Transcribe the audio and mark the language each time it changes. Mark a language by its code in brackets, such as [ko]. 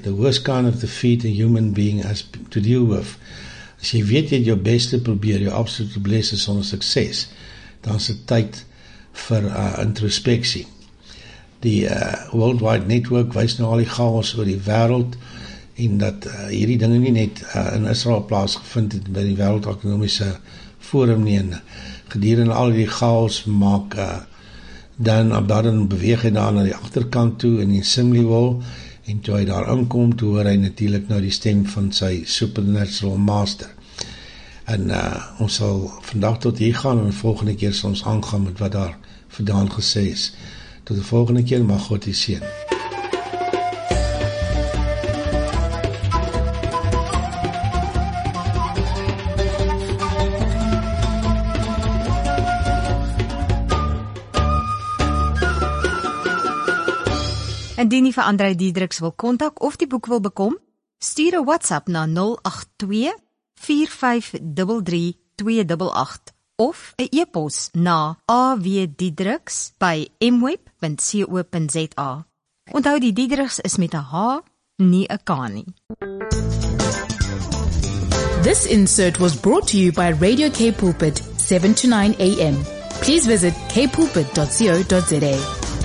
[en] The worst kind of defeat a human being has to deal with. [af] As jy weet jy het jou beste probeer, jou absolute bless is sonder sukses, dan is dit tyd vir introspeksie. Die worldwide network wys nou al die chaos oor die wêreld en dat hierdie dinge nie net in Israel plaasgevind het by die Wêreld Ekonomiese Forum nie. En gedurende al die chaos maak Dan Abaddon beweeg hy daar na die agterkant toe in die Assembly Hall en toe hy daar inkom, toe hoor hy natuurlik nou die stem van sy supernatural master. En ons sal vandag tot hier gaan en volgende keer sal ons aangaan met wat daar vandaan gesê is. Tot de volgende keer, mag God u zien. Indien jy vir André Diedriks wil kontak of die boek wil bekom, stuur 'n WhatsApp na 082-4533-288 of 'n e-pos na awdiedriks@mweb.co.za. Onthou die Diedriks is met 'n H, nie 'n K nie. [en] This insert was brought to you by Radio K Pulpit 7 to 9 AM. Please visit kpulpit.co.za.